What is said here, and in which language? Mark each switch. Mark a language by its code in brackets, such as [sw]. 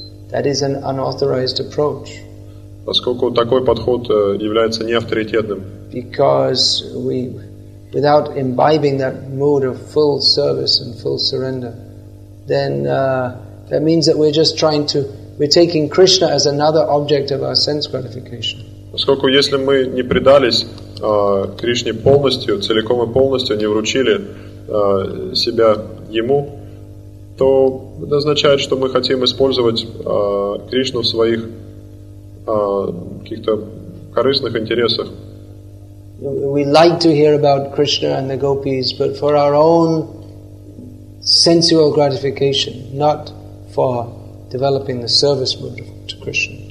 [en] That is an unauthorized approach. [ru] Поскольку такой подход является неавторитетным. [en] Because we, without imbibing that mood of full service and full surrender, then that means that we're just trying to, we're taking Krishna as another object of our sense gratification. [ru] Поскольку если мы не предались Кришне полностью, целиком и полностью, не вручили себя Ему, то это означает, что мы хотим использовать Кришну в своих каких-то корыстных интересах. [en] We like to hear about Krishna and the gopis, but for our own sensual gratification, not for developing the service mood to Krishna.